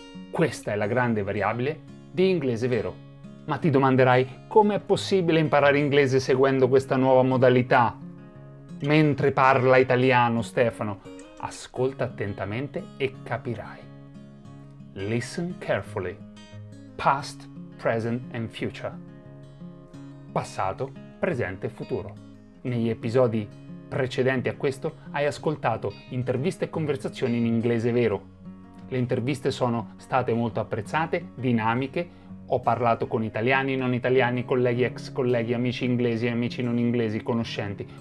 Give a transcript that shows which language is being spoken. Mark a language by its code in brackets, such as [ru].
[it] Questa è la grande variabile di inglese vero. Ma ti domanderai, com'è possibile imparare inglese seguendo questa nuova modalità? Mentre parla italiano, Stefano, ascolta attentamente e capirai. [en] Listen carefully. Past, present and future. [it] Passato, presente e futuro. Negli episodi precedenti a questo hai ascoltato interviste e conversazioni in inglese vero. Le interviste sono state molto apprezzate, dinamiche. Ho parlato con italiani, non italiani, colleghi, ex colleghi, amici inglesi, amici non inglesi, conoscenti.